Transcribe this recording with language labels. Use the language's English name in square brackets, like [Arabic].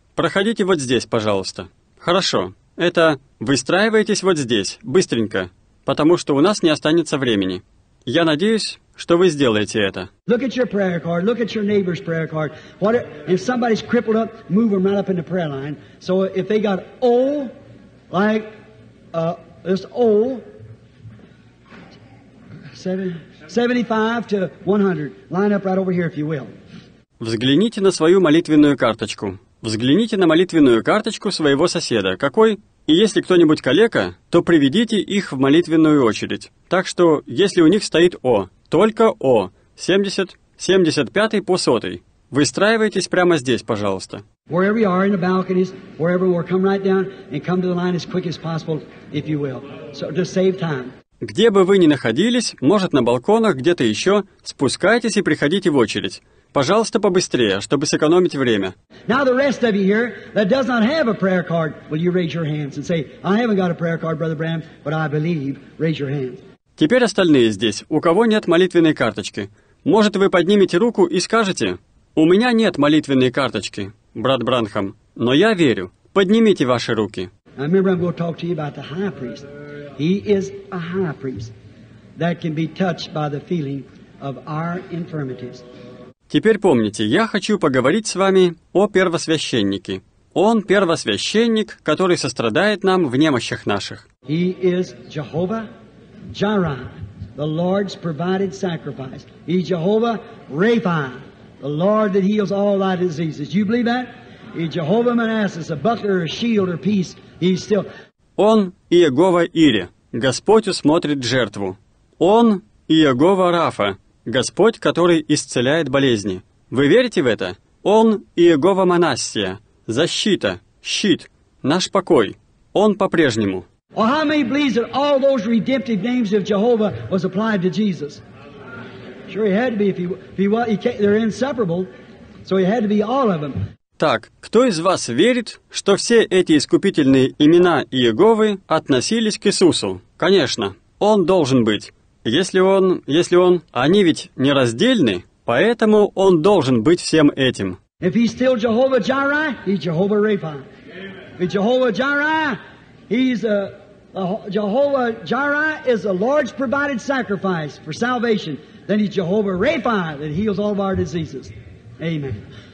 [Russian] Проходите вот здесь, пожалуйста. Хорошо. Это выстраивайтесь вот здесь, быстренько, потому что у нас не останется времени. Я надеюсь, что вы сделаете это. [English] Look at your prayer card, look at your neighbor's prayer card. What if somebody's crippled up, move them right up in the prayer line. So if they got O, like this O, 75 to 100, line up right over here, if you will. [Russian] Взгляните на свою молитвенную карточку. Взгляните на молитвенную карточку своего соседа. Какой? И если кто-нибудь калека, то приведите их в молитвенную очередь. Так что, если у них стоит О, только О, 70, 75 по 100. Выстраивайтесь прямо здесь, пожалуйста. [English] Wherever you are in the balconies, wherever we are, come right down and come to the line as quick as possible, if you will. So to save time. [Russian] Где бы вы ни находились, может на балконах, где-то еще, спускайтесь и приходите в очередь. Пожалуйста, побыстрее, чтобы сэкономить время. [English] Now the rest of you here that does not have a prayer card, will you raise your hands and say, I haven't got a prayer card, Brother Branham, but I believe, raise your hands. [Russian] Теперь остальные здесь, у кого нет молитвенной карточки. Может, вы поднимете руку и скажете, у меня нет молитвенной карточки, брат Бранхам, но я верю. Поднимите ваши руки. [English] I remember I'm going to talk to you about the high priest. He is a high priest that can be touched by the feeling of our infirmities. [Russian] Теперь помните, я хочу поговорить с вами о первосвященнике. Он первосвященник, который сострадает нам в немощах наших. [English] He is Jehovah Jireh, the Lord's provided sacrifice. He's Jehovah Rapha, the Lord that heals all thy diseases. You believe that? He's Jehovah Manassas, a buckler, a shield, or peace. He's still. [Russian] Он Иегова Ире, Господь усмотрит жертву. Он Иегова Рафа. Господь, который исцеляет болезни. Вы верите в это? Он Иегова Манассия. Защита, щит, наш покой. Он по-прежнему. [English] Well, how many believe that all those redemptive names of Jehovah was applied to Jesus? Sure, he had to be. If he was, they're inseparable. So it had to be all of them. [Russian] Так, кто из вас верит, что все эти искупительные имена Иеговы относились к Иисусу? Конечно, Он должен быть. Если Он, они ведь не раздельны, поэтому Он должен быть всем этим. [English] If He's still Jehovah Jireh, He's Jehovah Rapha. If Jehovah Jireh, He's Jehovah Jireh is the Lord's provided sacrifice for salvation. Then He's Jehovah Rapha that heals all of our diseases. Amen.